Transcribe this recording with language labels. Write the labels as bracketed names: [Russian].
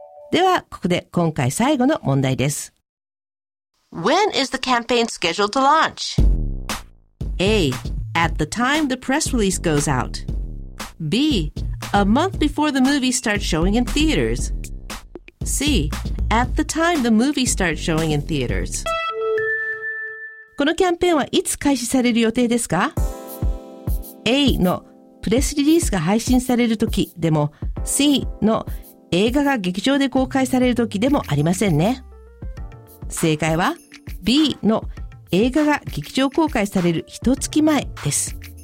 [Japanese] ではここで今回最後の問題です。 [English] When is the campaign scheduled to launch? A. At the time the press release goes out. B. A month before the movie starts showing in theaters. C. At the time the movie starts showing in theaters. [Japanese] このキャンペーンはいつ開始される予定ですか？A のプレスリリースが配信されるときでも、 C の映画が劇場で公開されるときでもありませんね。正解は B の映画が劇場公開される一月前です。